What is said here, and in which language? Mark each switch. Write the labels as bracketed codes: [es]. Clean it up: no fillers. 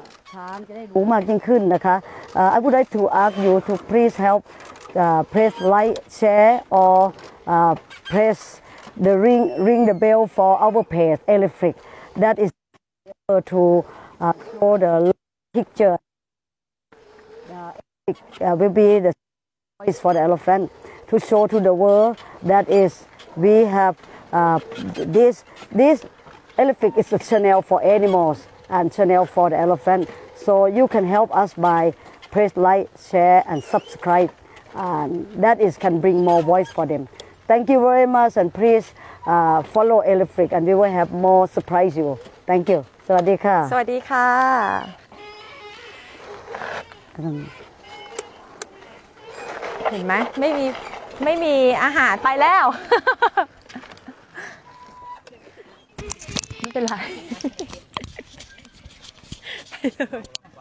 [th] ช้างจะได้รู้มากยิ่งขึ้นนะคะ [en] I would like to ask you to please help press like share or press the ring the bell for our page Elifric that is able toshow the picture. It will be the voice for the elephant to show to the world that is we have this elephant is a channel for animals and channel for the elephant. So you can help us by press like, share and subscribe. And that is can bring more voice for them. Thank you very much and please follow Elephant and we will have more surprise you. Thank you. [th] สวัสดีค่ะ สวัสดีค่ะเห็นไหมไม่มีอาหารไปแล้วไม่เป็นไรไปเลย